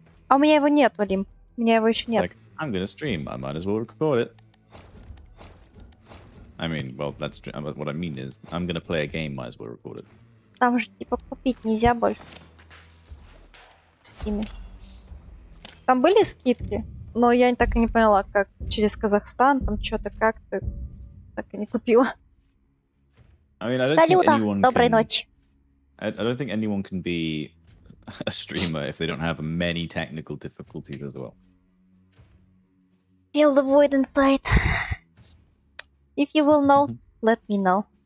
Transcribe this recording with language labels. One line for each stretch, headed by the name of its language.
Russian: А у меня его нет, Вадим. У меня его еще нет.
English: Like, I'm gonna stream. I might as well record it. I mean, well, that's what I mean is I'm gonna play a game. Might as well record it.
Russian: Там же, типа, купить нельзя больше. В стиме. Там были скидки, но я так и не поняла, как через Казахстан, там что-то как-то так и не купила. Салюта, доброй ночи.
English: I don't think anyone can be a streamer if they don't have many technical difficulties as well. Feel the void inside. If you will know, let me know.